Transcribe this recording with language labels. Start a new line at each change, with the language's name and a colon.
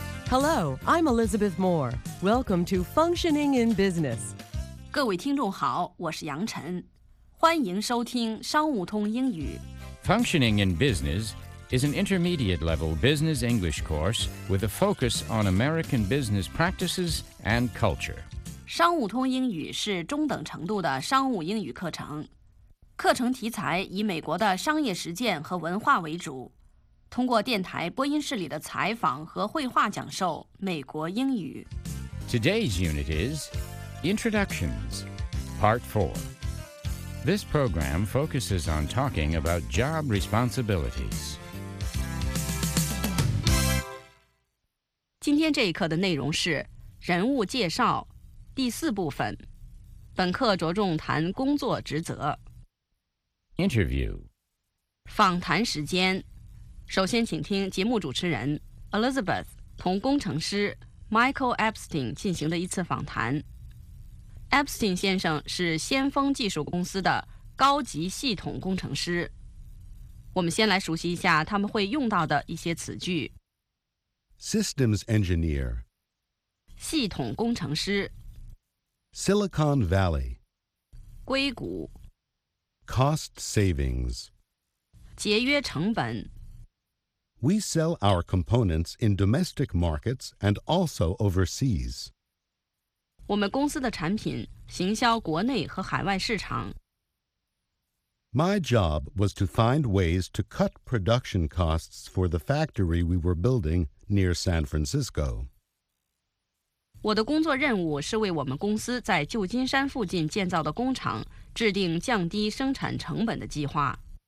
English: Hello, I'm Elizabeth Moore. Welcome to Functioning in Business.
Chinese: 各位听众好，我是杨晨，欢迎收听商务通英语。
English: Functioning in Business is an intermediate level business English course with a focus on American business practices and culture.
Chinese: 商务通英语是中等程度的商务英语课程，课程题材以美国的商业实践和文化为主，通过电台播音室里的采访和绘画讲授美国英语。
English: Today's unit is Introductions, Part 4. This program focuses on talking about job responsibilities.
Chinese: 今天这一课的内容是人物介绍第四部分，本课着重谈工作职责。
English: Interview.
Chinese: 访谈时间，首先请听节目主持人 Elizabeth 同工程师 Michael Epstein 进行的一次访谈。 Epstein 先生是先锋技术公司的高级系统工程师。我们先来熟悉一下他们会用到的一些词句。
English: Systems engineer.
Chinese: 系统工程师。
English: Silicon Valley.
Chinese: 硅谷。
English: Cost savings.
Chinese: 节约成本。
English: We sell our components in domestic markets and also overseas.
Chinese: 我们公司的产品行销国内和海外市场。
English: My job was to find ways to cut production costs for the factory we were building near San Francisco.
Chinese: 我的工作任务是为我们公司在旧金山附近建造的工厂制定降低生产成本的计划。